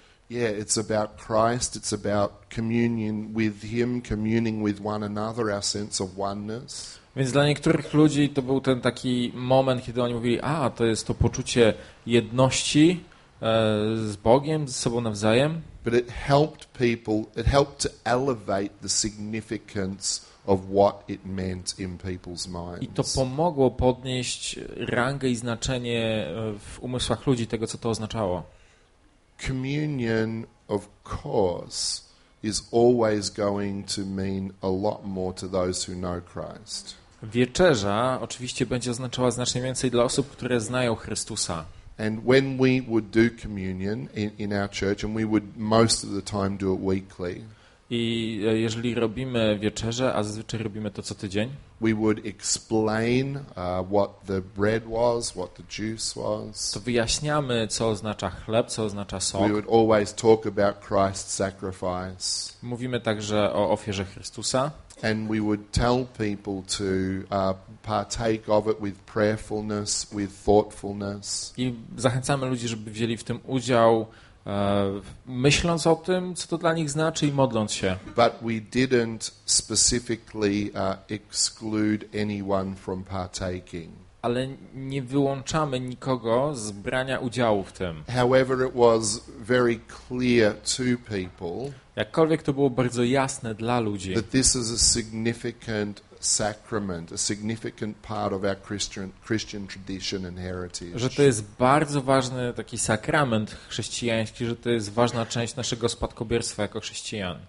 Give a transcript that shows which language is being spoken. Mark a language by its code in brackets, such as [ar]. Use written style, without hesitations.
[en] Yeah, it's about Christ, it's about communion with him, communing with one another, our sense of oneness. [pl] Więc dla niektórych ludzi to był ten taki moment, kiedy oni mówili, to jest to poczucie jedności z Bogiem, ze sobą nawzajem. [en] But it helped people, it helped to elevate the significance of what it meant in people's minds. [pl] I to pomogło podnieść rangę i znaczenie w umysłach ludzi tego, co to oznaczało. [en] Communion, of course, is always going to mean a lot more to those who know Christ. [pl] Wieczerza oczywiście będzie oznaczała znacznie więcej dla osób, które znają Chrystusa. [en] And when we would do communion in our church, and we would most of the time do it weekly. [pl] I jeżeli robimy wieczerze, a zazwyczaj robimy to co tydzień. [en] We would explain what the bread was, what the juice was. [pl] To wyjaśniamy, co oznacza chleb, co oznacza sok. [en] We would always talk about Christ's sacrifice. [pl] Mówimy także o ofierze Chrystusa. [en] And we would tell people to partake of it with prayerfulness, with thoughtfulness. [pl] I zachęcamy ludzi, żeby wzięli w tym udział myśląc o tym, co to dla nich znaczy i modląc się. [en] But we didn't specifically exclude anyone from partaking. [pl] Ale nie wyłączamy nikogo z brania udziału w tym. [en] However, it was very clear to people. [pl] Jakkolwiek to było bardzo jasne dla ludzi. [en] That this is a significant sacrament, a significant part of our Christian tradition and heritage. [pl] Że to jest bardzo ważny taki sakrament chrześcijański, że to jest ważna część naszego spadkobierstwa jako chrześcijan.